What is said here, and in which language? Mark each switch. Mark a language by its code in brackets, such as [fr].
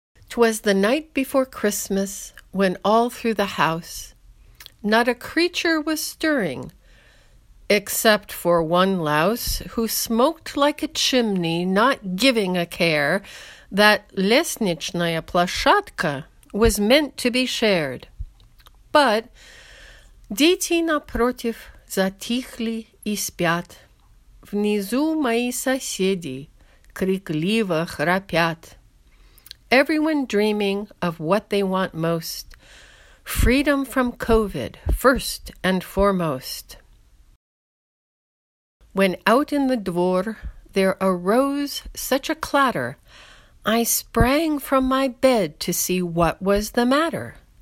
[en] "'Twas the night before Christmas, when all through the house, not a creature was stirring, except for one louse who smoked like a chimney, not giving a care that [ru] lesnichnaya plashchadka [en] was meant to be shared. But [ru] дети напротив затихли и спят, внизу мои соседи крикливо храпят. [en] Everyone dreaming of what they want most, freedom from COVID first and foremost. When out in the dvor there arose such a clatter, I sprang from my bed to see what was the matter.